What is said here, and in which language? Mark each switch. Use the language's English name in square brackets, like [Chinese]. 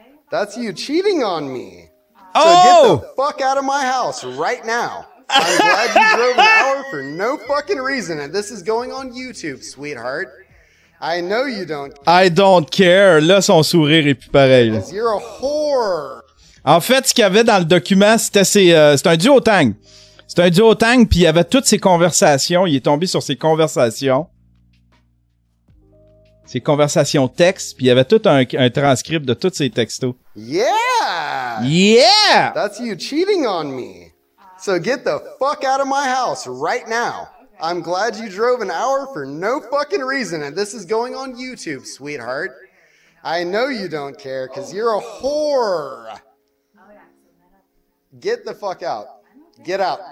[English] That's you cheating on me. Oh! So get the fuck out of my house right now. I'm glad you drove an hour for no fucking reason, and this is going on YouTube, sweetheart. I know you don't care. I don't care. [French] Là, son sourire est plus pareil. [English] You're a whore. [French] En fait, ce qu'il y avait dans le document, c'était c'est un duotang. C'est un duotang, puis il y avait toutes ses conversations. Il est tombé sur ses conversations. Ses conversations textes, puis il y avait tout un transcript de tous ses textos. [English] Yeah! Yeah! That's you cheating on me. So get the fuck out of my house right now. I'm glad you drove an hour for no fucking reason, and this is going on YouTube, sweetheart. I know you don't care, because you're a whore. Get the fuck out. Get out.